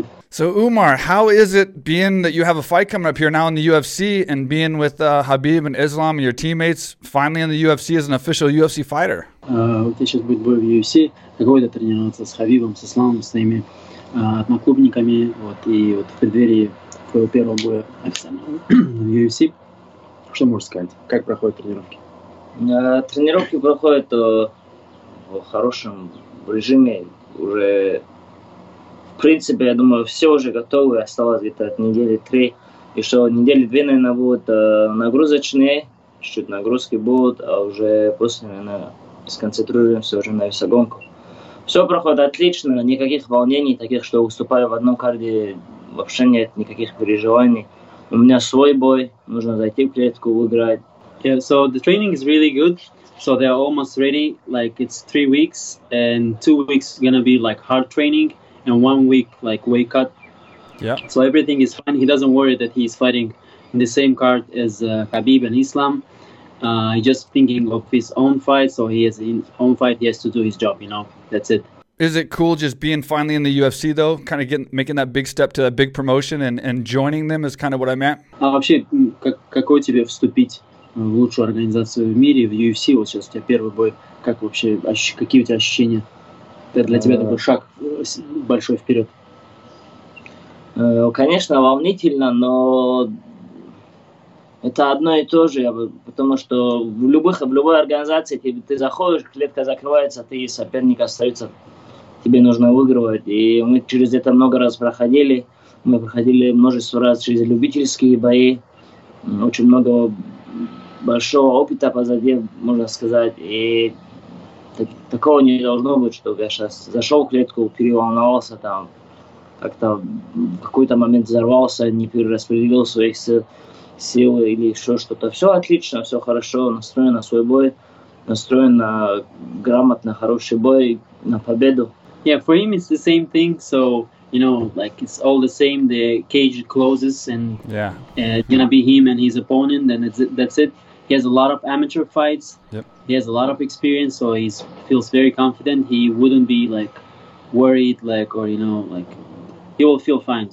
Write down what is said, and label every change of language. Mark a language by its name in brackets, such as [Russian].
[English] So Umar, how is it being that you have a fight coming up here now in the UFC and being with Habib and Islam and your teammates finally in the UFC as an official UFC fighter? [Russian] Ты сейчас будет бой в UFC. Какой-то тренироваться с Хабибом, с Исламом, с ними, одноклубниками, вот и вот в преддверии твоего первого боя официально в UFC. Что можешь сказать? Как проходят тренировки? Тренировки проходят в хорошем режиме уже. В принципе, я думаю, все уже готовы, осталось где-то от недели три. И что недели две, наверное, будут нагрузочные, чуть-чуть нагрузки будут, а уже после, наверное, сконцентрируемся уже на весогонку. Все проходит отлично, никаких волнений таких, что выступаю в одном карде, вообще нет никаких переживаний. У меня свой бой, нужно зайти в клетку, выиграть. [English] Yeah, so the training is really good. So they're almost ready, like it's 3 weeks, and 2 weeks gonna be like hard training. And 1 week, like, weight cut. Yeah. So everything is fine. He doesn't worry that he's fighting in the same card as Habib and Islam. He's just thinking of his own fight. So he has his own fight. He has to do his job, you know. That's it. Is it cool just being finally in the UFC, though? Kind of making that big step to that big promotion and joining them is kind of what I meant? [Russian] Вообще, какой тебе вступить в лучшую организацию в мире, в UFC? Вот сейчас у тебя первый бой. Как вообще, какие у тебя ощущения? Это для тебя такой шаг большой вперед. Конечно, волнительно, но это одно и то же. Потому что в любой организации ты заходишь, клетка закрывается, ты соперник остается. Тебе нужно выигрывать. И мы через это много раз проходили. Мы проходили множество раз через любительские бои. Очень много большого опыта позади, можно сказать. И такого не должно быть, что я сейчас зашел в клетку, переволновался там, как-то в какой-то момент взорвался, не перераспределил своих сил или еще что-то. Все отлично, все хорошо, настроен на свой бой, настроен на грамотно хороший бой, на победу. [English] Yeah, for him it's the same thing, so, you know, like it's all the same, the cage closes and it's gonna be him and his opponent, and that's it. He has a lot of amateur fights. Yep. He has a lot of experience, so he feels very confident. He wouldn't be like worried, like, or you know, like he will feel fine.